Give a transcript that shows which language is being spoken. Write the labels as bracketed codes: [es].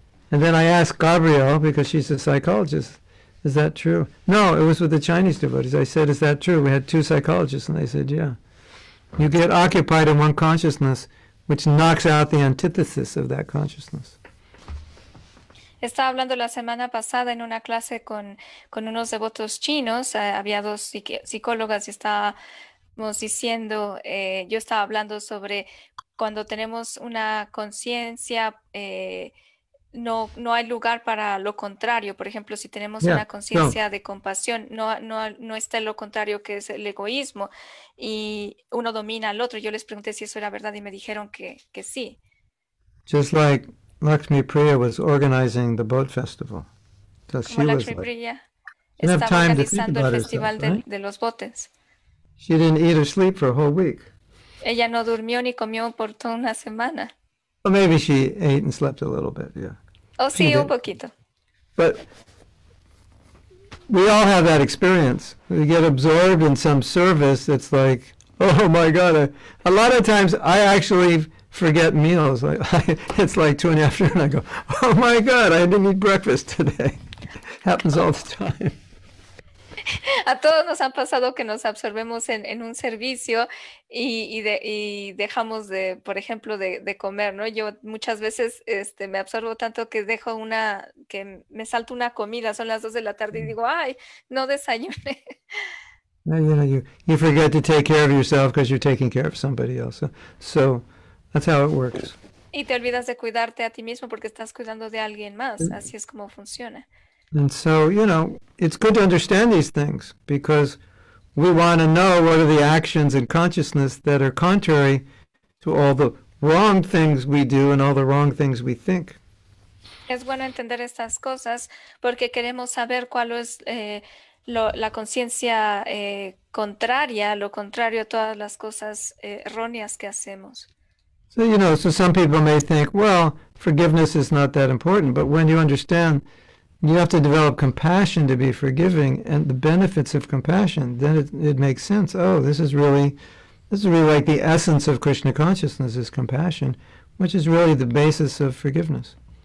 [en] And then I asked Gabrielle, because she's a psychologist, is that true? No, it was with the Chinese devotees. I said, is that true? We had two psychologists, and they said, yeah. You get occupied in one consciousness, which knocks out the antithesis of that consciousness. [es] Estaba hablando la semana pasada en una clase con unos devotos chinos. Había dos psicólogas y estábamos diciendo, yo estaba hablando sobre cuando tenemos una conciencia, no hay lugar para lo contrario. Por ejemplo, si tenemos una conciencia de compasión, no está lo contrario, que es el egoísmo, y uno domina al otro. Yo les pregunté si eso era verdad y me dijeron que sí. Just like Lakshmi Priya was organizing the boat festival. [en] So she was like, [es] Priya estaba organizando el festival de los botes. [en] She didn't eat or sleep for a whole week. [es] Ella no durmió ni comió por toda una semana. [en] Well, maybe she ate and slept a little bit, yeah. [es] Oh, sí, un poquito. [en] But we all have that experience. We get absorbed in some service that's like, oh my God. A lot of times I actually forget meals. It's like 2 in the afternoon. I go, oh my God, I didn't eat breakfast today. Happens all the time. [es] A todos nos ha pasado que nos absorbemos en un servicio y dejamos de, por ejemplo, de comer, ¿no? Yo muchas veces me absorbo tanto que dejo una, que me salto una comida, son las 2 de la tarde y digo, ay, no desayuné. [en] You forget to take care of yourself because you're taking care of somebody else. So that's how it works. [es] Y te olvidas de cuidarte a ti mismo porque estás cuidando de alguien más. Así es como funciona. [en] And so, you know, it's good to understand these things because we want to know what are the actions and consciousness that are contrary to all the wrong things we do and all the wrong things we think. [es] Es bueno entender estas cosas porque queremos saber cuál es la conciencia contraria, lo contrario a todas las cosas erróneas que hacemos. [en] So, you know, so some people may think, well, forgiveness is not that important, but when you understand, you have to develop compassion to be forgiving and the benefits of compassion, then it makes sense. Oh, this is really like the essence of Krishna consciousness is compassion, which is really the basis of forgiveness.